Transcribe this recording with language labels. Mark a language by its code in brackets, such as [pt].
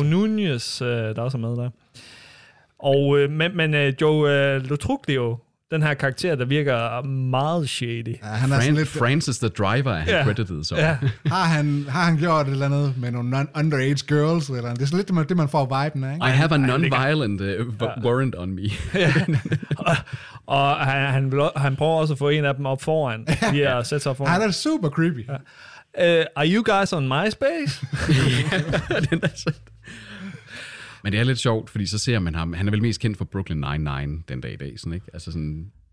[da] Joe Nunez, der også er med der. Og Joe Lotruglio, den her karakter, der virker meget shady. Ja, han er lidt... Francis the Driver, han credited så. Ja. Har han gjort et eller andet med nogle underage girls? Eller det er lidt det, man får viben af. [en] I have a non-violent warrant on me. [da] og han prøver også at få en af dem op foran. Han er super creepy. Ja. [en] Are you guys on MySpace? [da] Den er sådan. Men det er lidt sjovt, fordi så ser man ham. Han er vel mest kendt for Brooklyn Nine-Nine den dag i dag, sådan, ikke? Altså sådan...